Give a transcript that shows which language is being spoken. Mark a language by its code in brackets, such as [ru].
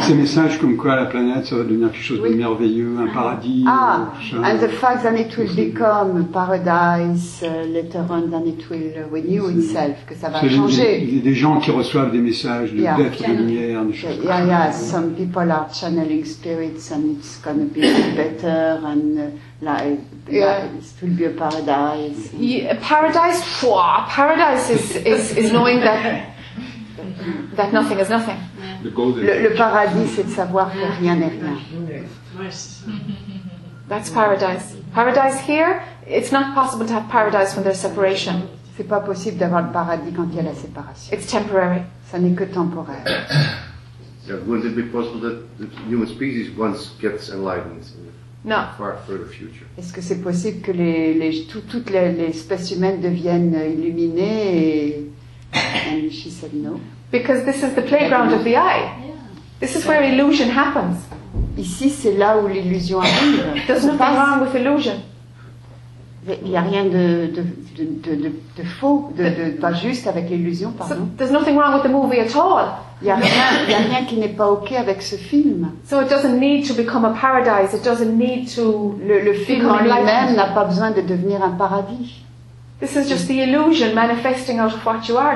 [fr] Ces messages comme quoi la planète va devenir quelque chose de merveilleux, un paradis. [en] Ah, and the fact that it will become paradise later on, than it will renew itself, [fr] que ça va changer. Des gens qui reçoivent des messages d'être de lumière, des choses comme ça. [en] Yeah, some people are channeling spirits and it's going to be better and... it will be a paradise. Yeah, paradise? Pouah, paradise is knowing that nothing is nothing. [fr] Le paradis, c'est de savoir que rien n'est rien. [en] That's paradise. Paradise here, it's not possible to have paradise when there's separation. [fr] C'est pas possible d'avoir le paradis quand il y a la séparation. [en] It's temporary. [fr] Ça n'est que temporaire. [en] Yeah, wouldn't it be possible that the human species once gets enlightened? No. Far further future. [fr] Est-ce que c'est possible que toutes les espèces humaines deviennent illuminées? [en] And she said no. Because this is the playground of the eye. Yeah. This is where illusion happens. [fr] Ici, c'est là où l'illusion arrive. [en] There's nothing wrong with illusion. [fr] Il n'y a rien de faux, pas juste avec l'illusion, pardon. [en] So, there's nothing wrong with the movie at all. [fr] Il n'y a rien qui n'est pas ok avec ce film. [en] So it doesn't need to become a paradise. It doesn't need to. [fr] Le film en lui-même n'a pas besoin de devenir un paradis. [en] This is just the illusion manifesting out of what you are.